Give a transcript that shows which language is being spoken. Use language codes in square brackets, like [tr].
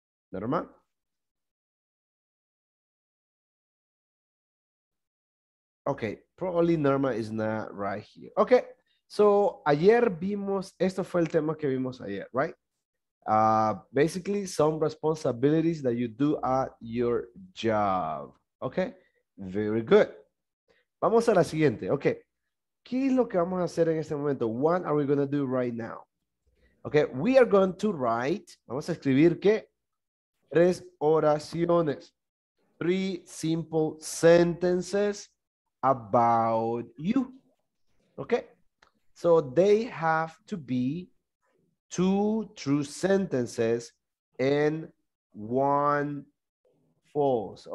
[en] Norma. Okay, probably Norma is not right here. [es] Okay, so ayer vimos, esto fue el tema que vimos ayer, right? [en] Basically, some responsibilities that you do at your job. Okay, very good. [es] Vamos a la siguiente. Okay, ¿qué es lo que vamos a hacer en este momento? [en] What are we going to do right now? Okay, we are going to write, [es] vamos a escribir, ¿qué? Tres oraciones. [en] Three simple sentences about you. Okay, so they have to be two true sentences and one false.